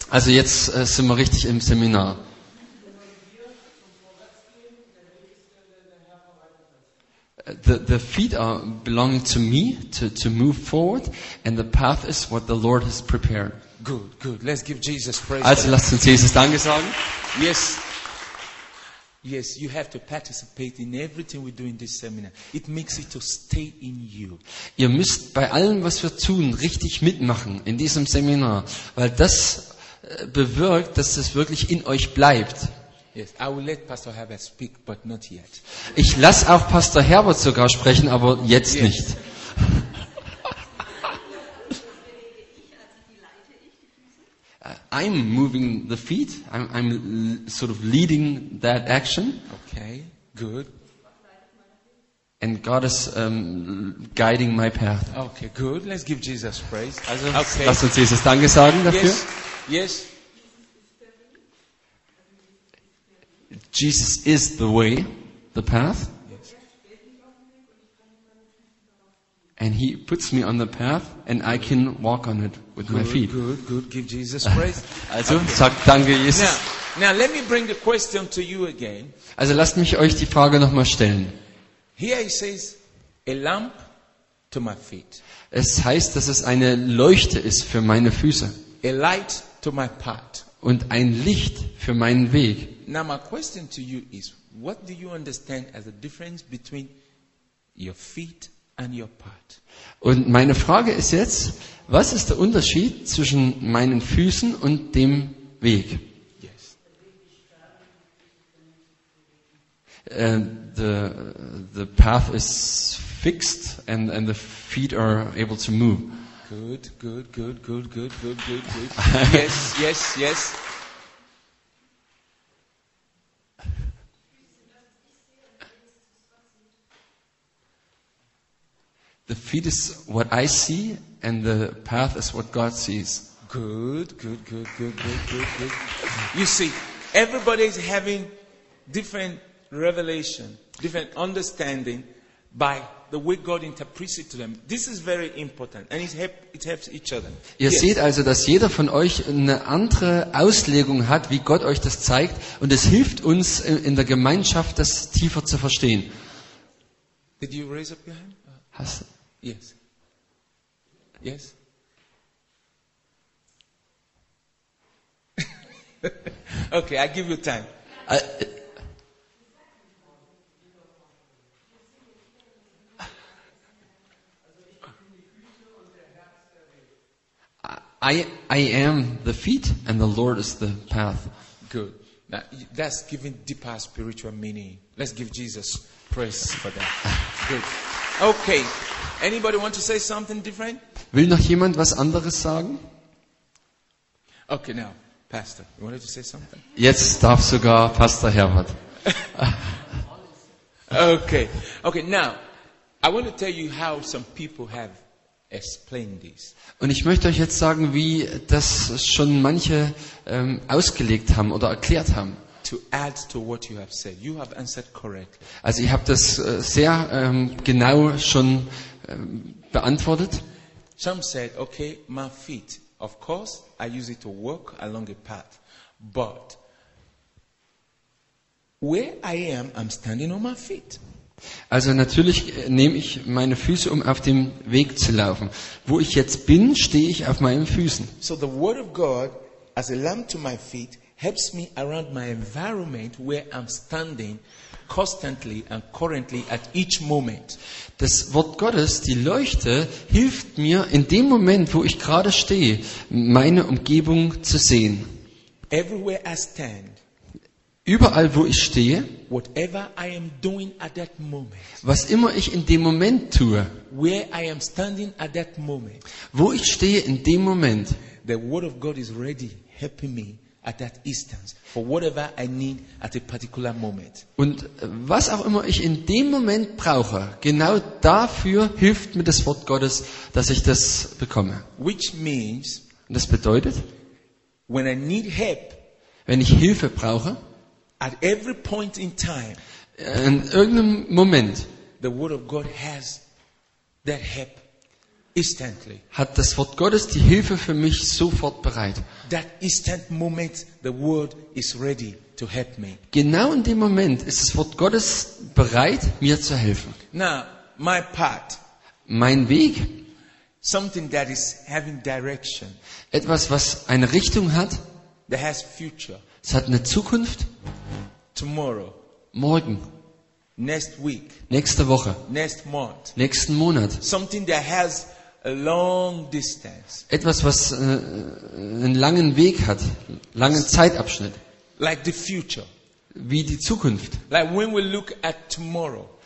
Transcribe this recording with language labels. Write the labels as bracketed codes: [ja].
[de] Also jetzt sind wir richtig im Seminar. [en] The feet are belonging to me to move forward, and the path is what the Lord has prepared. Good, good. Let's give Jesus praise. [de] Also lasst uns Jesus Danke sagen. [en] Yes, yes. You have to participate in everything we do in this seminar. It makes it to stay in you. [de] Ihr müsst bei allem, was wir tun, richtig mitmachen in diesem Seminar, weil das bewirkt, dass es wirklich in euch bleibt. [en] Yes, I will let Pastor Herbert speak, but not yet. [de] Ich lasse auch Pastor Herbert sogar sprechen, aber jetzt nicht. [en] I'm moving the feet. I'm sort of leading that action. Okay, good. And God is guiding my path. Okay, good. Let's give Jesus praise. [de] Also, [en] okay. [de] Lass uns Jesus Danke sagen dafür. [en] Yes. Yes. Jesus is the way, the path. Yes. And he puts me on the path and I can walk on it with good, my feet. Good, good. Give Jesus praise. [de] Also, okay. Sag danke Jesus. [en] Now let me bring the question to you again. [de] Also lasst mich euch die Frage noch mal stellen. [en] Here he says a lamp to my feet. [de] Es heißt, dass es eine Leuchte ist für meine Füße. [en] A light to my path. [de] Und ein Licht für meinen Weg. [en] Now my question to you is, what do you understand as the difference between your feet and your path? [de] Und meine Frage ist jetzt, was ist der Unterschied zwischen meinen Füßen und dem Weg? [en] Yes. The path is fixed and the feet are able to move. Good, good, good, good, good, good, good, good. Yes, yes, yes. The feet is what I see, and the path is what God sees. Good, good, good, good, good, good, good. You see, everybody is having different revelation, different understanding by the way God interprets it to them. This is very important, and it helps each other. [de] Ihr seht also, dass jeder von euch eine andere Auslegung hat, wie Gott euch das zeigt, und es hilft uns in der Gemeinschaft, das tiefer zu verstehen. [en] Did you raise up your hand? [de] Hast du? [en] Yes. Yes. Okay, I give you time. I am the feet and the Lord is the path. Good. Now, that's giving deeper spiritual meaning. Let's give Jesus praise for that. Good. Okay. Anybody want to say something different? [de] Will noch jemand was anderes sagen? [en] Okay, now, Pastor, you wanted to say something? [de] Jetzt darf sogar Pastor Herbert. [en] Okay. Okay, now, I want to tell you how some people have explained this. [de] Und ich möchte euch jetzt sagen, wie das schon manche ausgelegt haben oder erklärt haben. [en] To add to what you have said. You have answered correctly. [de] Also ihr habt das sehr genau schon beantwortet. [en] Some said, okay, my feet. Of course, I use it to walk along a path. But where I am standing on my feet. [de] Also natürlich nehme ich meine Füße, um auf dem Weg zu laufen. Wo ich jetzt bin, stehe ich auf meinen Füßen. [en] So the word of God as a lamp to my feet helps me around my environment where I'm standing constantly and currently at each moment. [de] Das Wort Gottes, die Leuchte, hilft mir in dem Moment, wo ich gerade stehe, meine Umgebung zu sehen. [en] Everywhere I stand, [de] überall, wo ich stehe, [en] whatever I am doing at that moment, [de] was immer ich in dem Moment tue, [en] where I am standing at that moment, [de] wo ich stehe in dem Moment, [en] the word of God is ready helping me at that instance for whatever I need at a particular moment. [de] Und was auch immer ich in dem Moment brauche, genau dafür hilft mir das Wort Gottes, dass ich das bekomme. [en] Which means, [de] das bedeutet, [en] when I need help, [de] wenn ich Hilfe brauche, [en] at every point in time, [de] in irgendeinem Moment, [en] the word of God has that help. Instantly. [de] Hat das Wort Gottes die Hilfe für mich sofort bereit. [en] That instant moment, the word is ready to help me. [de] Genau in dem Moment ist das Wort Gottes bereit, mir zu helfen. [en] Now, my path. [de] Mein Weg. [en] Something that is having direction. [de] Etwas, was eine Richtung hat. [en] That has future. [de] Es hat eine Zukunft. [en] Tomorrow. [de] Morgen. [en] Next week. [de] Nächste Woche. [en] Next month. [de] Nächsten Monat. [en] Something that has a long distance. [de] Etwas, was einen langen Weg hat, langen Zeitabschnitt. [en] Like the future. [de] Wie die Zukunft. [en] Like when we look at tomorrow.